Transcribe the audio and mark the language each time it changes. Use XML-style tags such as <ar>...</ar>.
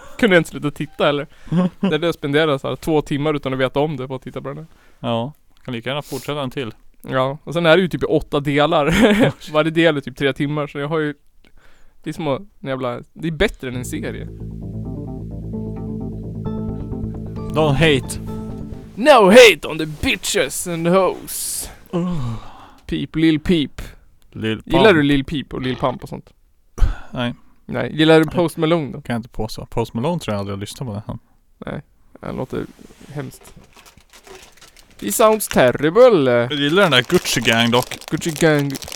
<sv>Kunde jag inte sluta titta eller? Det är det jag spenderade så här 2 timmar utan att veta om det på att titta på det. Ja, kan lika gärna fortsätta en till. Ja, och sen är det ju typ 8 delar. Oh, varje del är typ 3 timmar. Så jag har ju, det är små jävla, det är bättre än en serie.</sv> <en>Don't hate. No hate on the bitches and hoes. Peep, lil peep. Lil pump.</en> <sv>Gillar du lil peep och lil pump och sånt? Nej. Nej, gillar du Post Malone då? Kan jag inte påstå. Post Malone tror jag aldrig har lyssnat på det här. Nej, det låter hemskt.</sv> <en>He sounds terrible.</en> <sv>Jag gillar den där Gucci Gang dock. Gucci Gang.</sv>